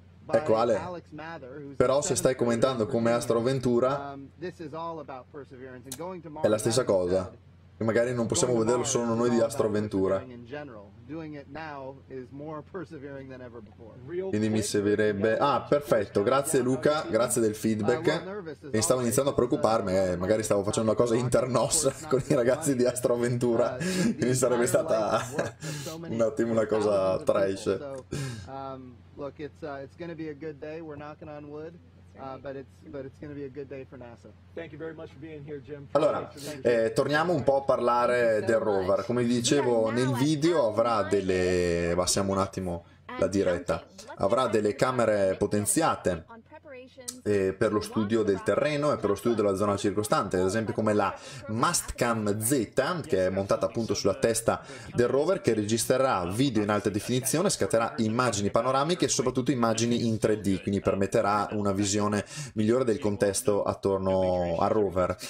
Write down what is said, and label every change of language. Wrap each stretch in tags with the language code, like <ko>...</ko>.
<it>Ecco Ale, però se stai commentando come Astro Ventura è la stessa cosa, e magari non possiamo vederlo solo noi di Astro Ventura, quindi mi servirebbe... Ah, perfetto, grazie Luca, grazie del feedback, e stavo iniziando a preoccuparmi, magari stavo facendo una cosa internos con i ragazzi di Astro Ventura, quindi sarebbe stata un attimo una cosa trash.</it> <en>Look, it's going to be a good day. We're knocking on wood, but it's going to be a good day for NASA. Thank you very much for being here, Jim.</en> <it>Allora, torniamo un po' a parlare del rover. Come dicevo, nel video avrà delle... Passiamo un attimo la diretta. Avrà delle camere potenziate per lo studio del terreno e per lo studio della zona circostante, ad esempio come la Mastcam Z, che è montata appunto sulla testa del rover, che registrerà video in alta definizione, scatterà immagini panoramiche e soprattutto immagini in 3D, quindi permetterà una visione migliore del contesto attorno al rover.</it>